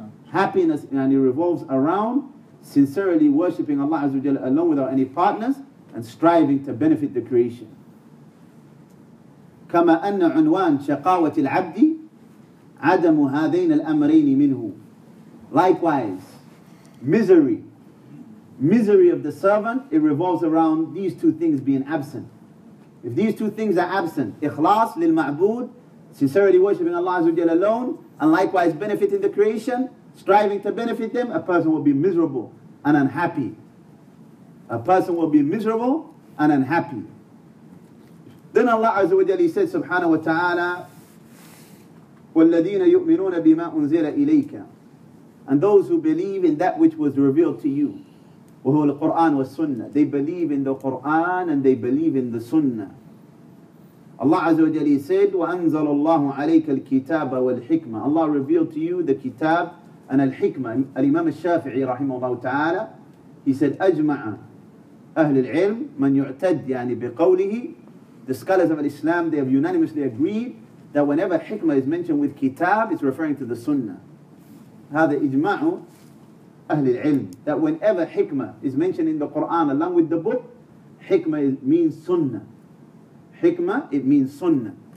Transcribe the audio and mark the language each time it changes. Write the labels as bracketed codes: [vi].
[en] Happiness and it revolves around sincerely worshipping Allah Azza wa Jal alone without any partners and striving to benefit the creation. [ar] كما أن عنوان شقاوة العبد عدم هذين الأمرين منه. [en] Likewise, misery of the servant, it revolves around these two things being absent. If these two things are absent, [ar] إخلاص للمعبود, [en] sincerely worshiping Allah Azza wa Jalla alone, and likewise benefiting the creation, striving to benefit them, a person will be miserable and unhappy. A person will be miserable and unhappy. Then Allah Azza wa Jalla said, Subhanahu wa Ta'ala, [ar] وَالَّذِينَ يُؤْمِنُونَ بِمَا أُنزِلَ إِلَيْكَ. [en] And those who believe in that which was revealed to you, [ar] وَهُوَ الْقُرْآنُ وَالسُنَّةِ. [en] They believe in the Qur'an and they believe in the Sunnah. Allah Azza wa Jalla said, [ar] وَأَنزَلَ اللَّهُ عَلَيْكَ الْكِتَابَ وَالْحِكْمَةِ. [en] Allah revealed to you the kitab and al-hikmah. Al-Imam al-Shafi'i rahimahullah ta'ala, he said, [ar] أَجْمَعَ أَهْلِ الْعِلْمِ مَنْ يُعْتَدْ يعني بِقَوْلِهِ. [en] The scholars of Islam, they have unanimously agreed that whenever hikmah is mentioned with kitab, it's referring to the sunnah. [ar] هذا إجماع أهل العلم. [en] That whenever hikmah is mentioned in the Quran along with the book, حكمة means sunnah. Hikmah, it means sunnah.